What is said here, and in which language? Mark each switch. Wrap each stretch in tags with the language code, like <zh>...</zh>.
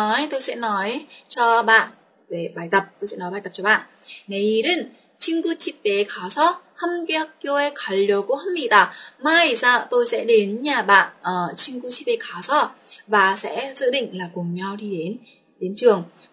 <vi>Tôi sẽ nói cho bạn về bài tập. Tôi sẽ nói bài tập cho bạn.</vi> <ko>내일은 친구 집에 가서 함께 학교에 가려고 합니다.</ko> <vi>Mai sao tôi sẽ đến nhà bạn,</vi> <ko>친구 집에 가서</ko> <vi>và sẽ dự định là cùng nhau đi đến trường.</vi>